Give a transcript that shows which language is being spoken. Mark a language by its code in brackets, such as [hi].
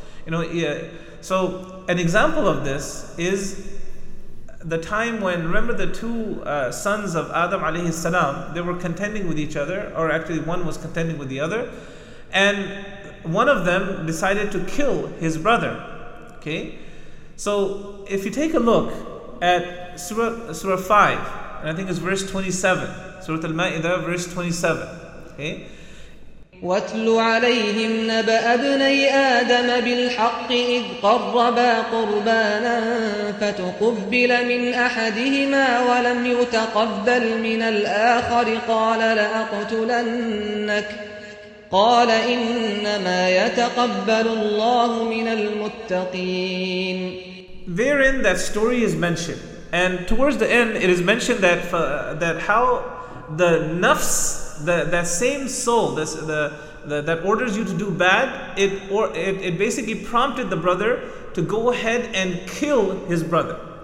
[en] You know, so an example of this is the time when, remember, the two sons of Adam alayhi salam, they were contending with each other, or actually one was contending with the other, and one of them decided to kill his brother. Okay, so if you take a look at surah 5, and I think it's verse 27, surah al-Ma'idah, verse 27. Okay. [ar] واتل عليهم نبأ ابني آدم بالحق إذ قربا قربانا فتقبل من أحدهما ولم يتقبل من الآخر قال لأقتلنك قال إنما يتقبل الله من المتقين. [en] Therein that story is mentioned, and towards the end it is mentioned that how the nafs, that same soul, that orders you to do bad, it basically prompted the brother to go ahead and kill his brother.